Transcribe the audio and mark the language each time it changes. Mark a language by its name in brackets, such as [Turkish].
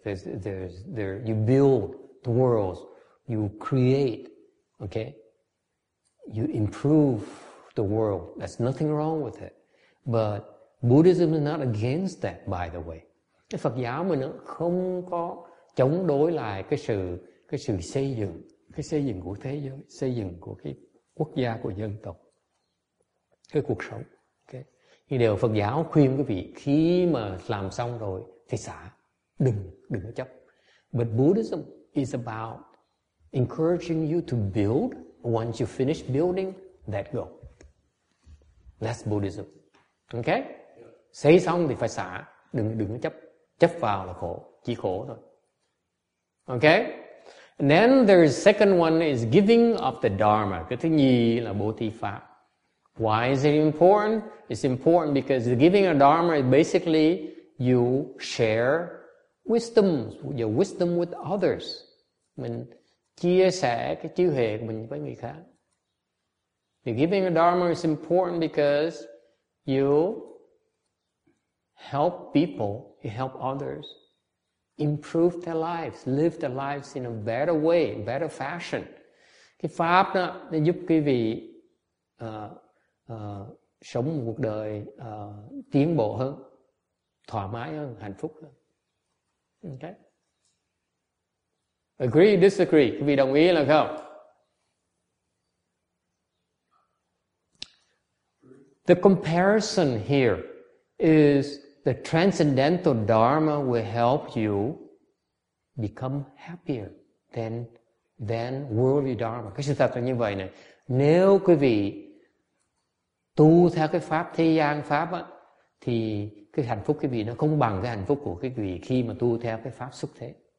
[English] There's you build the worlds, you create, okay, you improve the world. There's nothing wrong with it, but Buddhism is not against that, by the way. [Vietnamese] Phật giáo mình không có chống đối lại cái sự xây dựng của thế giới, xây dựng của cái quốc gia, của dân tộc, cái cuộc sống. Okay. Nhưng điều Phật giáo khuyên quý vị khi mà làm xong rồi thì xả, đừng có chấp. [English] But Buddhism is about encouraging you to build. Once you finish building, let go. That's Buddhism. Okay? [Vietnamese] Xây xong thì phải xả, đừng có chấp vào là khổ, chỉ khổ thôi. [English] Okay? And then there's second one is giving of the Dharma. [Vietnamese] Cái thứ nhì là bố thí pháp. [English] Why is it important? It's important because the giving of Dharma is basically you share wisdom, your wisdom with others. [Vietnamese] Mình chia sẻ cái trí huệ của mình với người khác. [English] The giving of Dharma is important because you help people, you help others improve their lives, live their lives in a better way, better fashion. [Vietnamese] Cái pháp đó nó giúp quý vị sống một cuộc đời tiến bộ hơn, thoải mái hơn, hạnh phúc hơn. [English] Okay. Agree, disagree? [Vietnamese] Quý vị đồng ý là không? [English] The comparison here is the transcendental dharma will help you become happier than worldly dharma. [Vietnamese] Cái sự thật là như vậy này. Nếu quý vị tu theo cái pháp thế gian pháp á, thì cái hạnh phúc quý vị nó không bằng cái hạnh phúc của quý vị khi mà tu theo cái pháp xuất thế.